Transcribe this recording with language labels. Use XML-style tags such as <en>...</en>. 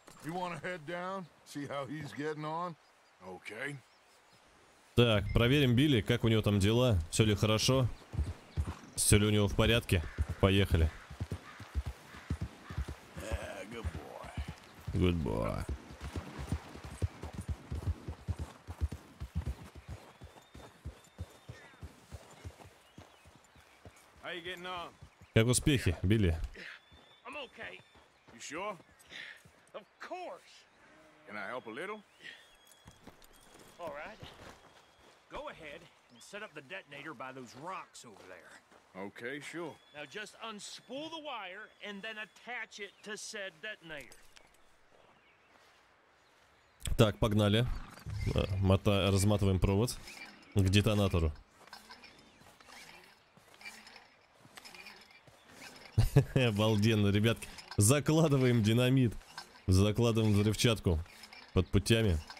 <en>You want to head down, see how he's getting on? Okay.</en> <ru>Так, проверим Билли, как у него там дела, все ли хорошо, все ли у него в порядке. Поехали.</ru> <en>Yeah, good boy. Good boy.</en> <ru>Как успехи, Билли?</ru> <en>I'm okay. You sure? Of course. Can I help a little? All right. Go ahead and set up the detonator by those rocks over there. Okay, sure. Now just unspool the wire and then attach it to said detonator.</en> <ru>Так, погнали. Разматываем провод к детонатору. Обалденно, ребятки. Закладываем динамит. Закладываем взрывчатку под путями.</ru>